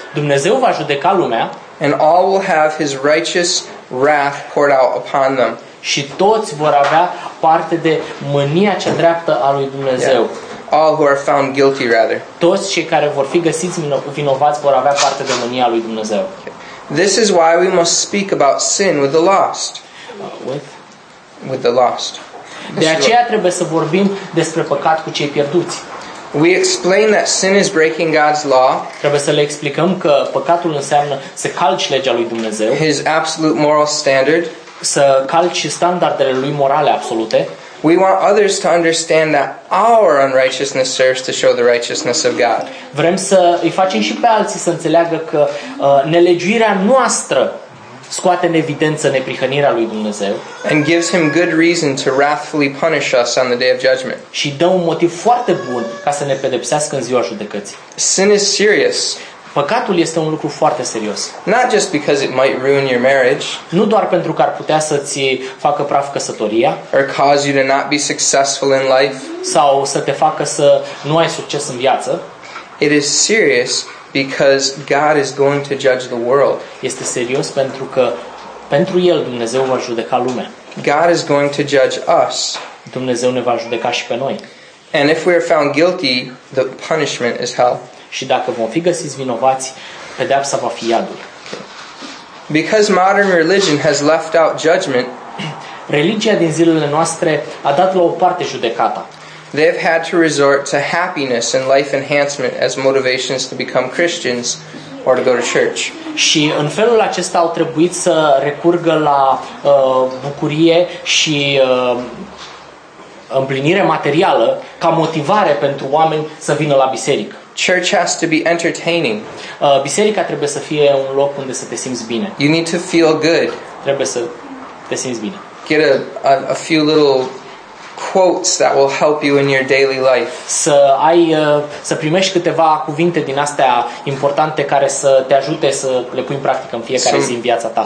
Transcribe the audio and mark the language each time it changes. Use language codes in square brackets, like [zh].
[ro] Dumnezeu va judeca lumea. [en] And all will have his righteous wrath poured out upon them. [ro] Și toți vor avea parte de mânia cea dreaptă a lui Dumnezeu. [en] Yeah. All who are found guilty rather. [ro] Toți cei care vor fi găsiți vinovați vor avea parte de mânia lui Dumnezeu. [en] This is why we must speak about sin with the lost. With the lost. [ro] De aceea trebuie să vorbim despre păcat cu cei pierduți. [en] We explain that sin is breaking God's law. [ro] Trebuie să le explicăm că păcatul înseamnă să calci legea lui Dumnezeu. [en] His absolute moral standard. [ro] Să calci standardele lui morale absolute. [en] We want others to understand that our unrighteousness serves to show the righteousness of God. [ro] Vrem să îi facem și pe alții să înțeleagă că nelegiuirea noastră scoate în evidență neprihănirea lui Dumnezeu. [en] And gives him good reason to wrathfully punish us on the day of judgment. [ro] Și dă un motiv foarte bun ca să ne pedepsească în ziua judecății. [en] Sin is serious. [ro] Păcatul este un lucru foarte serios. [en] Not just because it might ruin your marriage. [ro] Nu doar pentru că ar putea să ți facă praf căsătoria. [en] Or cause you to not be successful in life. [ro] Sau să te facă să nu ai succes în viață. [en] It is serious because God is going to judge the world. [ro] Este serios pentru că pentru el Dumnezeu va judeca lumea. [en] God is going to judge us. [ro] Dumnezeu ne va judeca și pe noi. [en] And if we are found guilty, the punishment is hell. [ro] Și dacă vom fi găsiți vinovați, pedeapsa va fi iadul. [en] Because modern religion has left out judgment, [ro] religia din zilele noastre a dat la o parte judecata. [en] They've had to resort to happiness and life enhancement as motivations to become Christians or to go to church. [ro] Și în felul acesta au trebuit să recurgă la bucurie și împlinire materială ca motivare pentru oameni să vină la biserică. [en] Church has to be entertaining. [ro] Biserica trebuie să fie un loc unde să te simți bine. [en] You need to feel good. [ro] Trebuie să te simți bine. [en] Get a few little quotes that will help you in your daily life. [ro] Să ai să primești câteva cuvinte din astea importante care să te ajute să le pui în practică în fiecare zi în viața ta.